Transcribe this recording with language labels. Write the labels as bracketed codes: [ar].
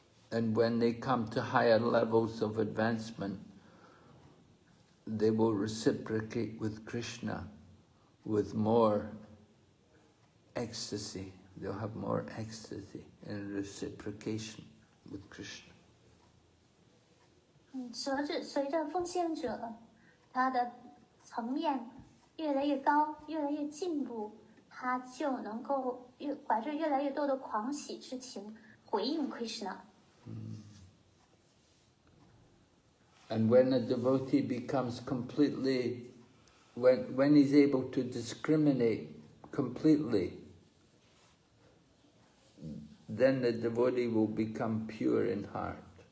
[en] And when they come to higher levels of advancement, they will reciprocate with Krishna with more ecstasy. They'll have more ecstasy in reciprocation with Krishna. [zh] 随着奉献者他的层面越来越高，越来越进步，他就能够怀着越来越多的狂喜之情回应Krishna。 [en] And when a devotee becomes completely, when he's able to discriminate completely, then the devotee will become pure in heart.